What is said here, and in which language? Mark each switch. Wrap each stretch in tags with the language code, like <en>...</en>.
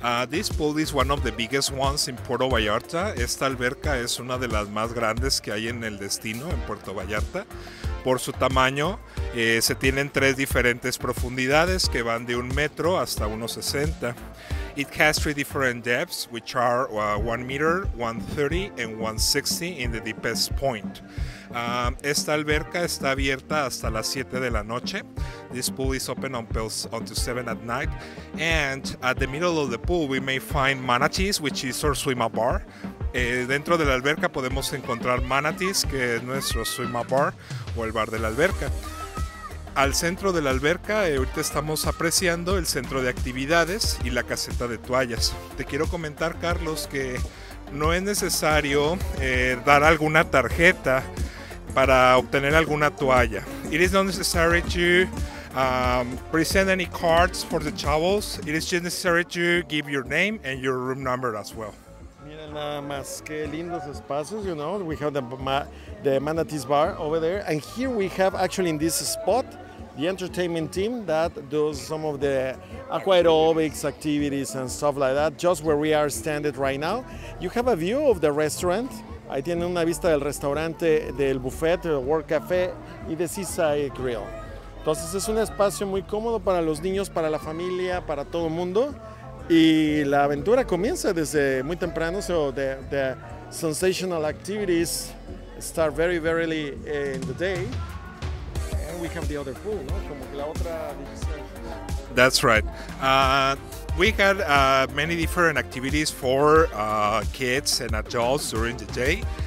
<en>This pool is one of the biggest ones in Puerto Vallarta.</en> <es>Esta alberca es una de las más grandes que hay en el destino, en Puerto Vallarta. Por su tamaño, se tienen tres diferentes profundidades que van de un metro hasta 1.60.</es> <en>It has three different depths, which are 1 meter, 1.30 and 1.60 in the deepest point.</en> <es>Esta alberca está abierta hasta las 7 de la noche.</es> <en>This pool is open until 7 at night. And at the middle of the pool, we may find manatees, which is our swim-up bar.</en> <es>Dentro de la alberca podemos encontrar manatees, que es nuestro swim-up bar o el bar de la alberca. Al centro de la alberca, ahorita estamos apreciando el centro de actividades y la caseta de toallas. Te quiero comentar, Carlos, que no es necesario dar alguna tarjeta para obtener alguna toalla.</es> <en>It is not necessary to present any cards for the chavos. It is just necessary to give your name and your room number as well.</en> <es>Miren nada más qué lindos espacios,</es> <en>you know.</en> <es>We have the Manatees Bar over there, and here we have actually in this spot the entertainment team that does some of the aqua aerobics activities and stuff like that, just where we are standing right now.</es> <en>You have a view of the restaurant.</en> <es>Ahí tienen una vista del restaurante, del buffet, del World Café y de Seaside Grill. Entonces es un espacio muy cómodo para los niños, para la familia, para todo el mundo. Y la aventura comienza desde muy temprano.</es> <en>So the sensational activities start very, very early in the day. We have the other pool, no?</en> <es>Como que la otra división.</es> <en>That's right. We had many different activities for kids and adults during the day.</en>